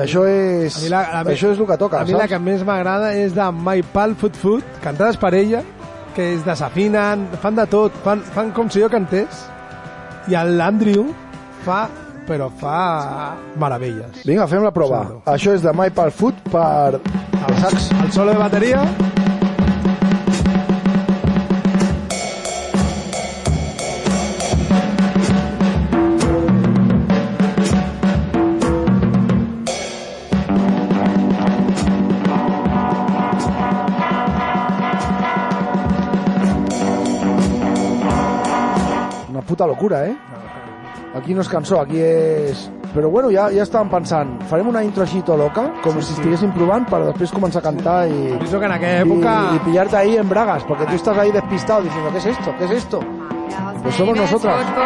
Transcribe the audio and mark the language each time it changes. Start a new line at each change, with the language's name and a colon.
Catalan: Això és això és el que toca. A mi la que més m'agrada és de My Pal Food Food, cantades per ella, que es desafinen, fan de tot, fan com si jo cantés, i l'Andrew fa, però fa meravelles. Vinga, fem la prova. Sí, això és de My Pal Food per el sax, el solo de bateria. Puta locura, eh? Aquí no és cançó, aquí és... Però bueno, ja estàvem pensant, farem una intro així to loca, com sí, si estiguéssim provant, per després començar a cantar i... Penso que en aquella època... I pillar-te
Spanish: ahí en bragas, perquè tu estàs ahí despistado, diciendo, ¿qué es esto? ¿Qué es esto? Pues somos nosotras.